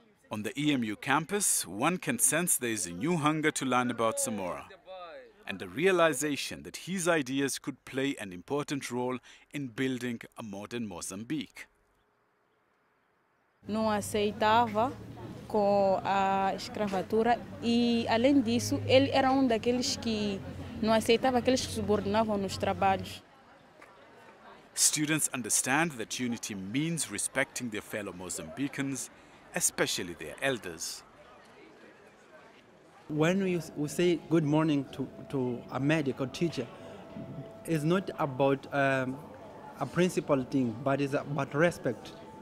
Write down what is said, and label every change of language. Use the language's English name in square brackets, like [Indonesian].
[English] On the EMU campus, one can sense there is a new hunger to learn about Samora. and the realization that his ideas could play an important role in building a modern Mozambique. [Portuguese] Não aceitava com a escravatura e, além disso, ele era daqueles que não aceitava aqueles que subordinavam nos trabalhos. [English] Students understand that unity means respecting their fellow Mozambicans, especially their elders. When we say good morning to a medic or teacher, it's not about a principal thing, but it's about respect.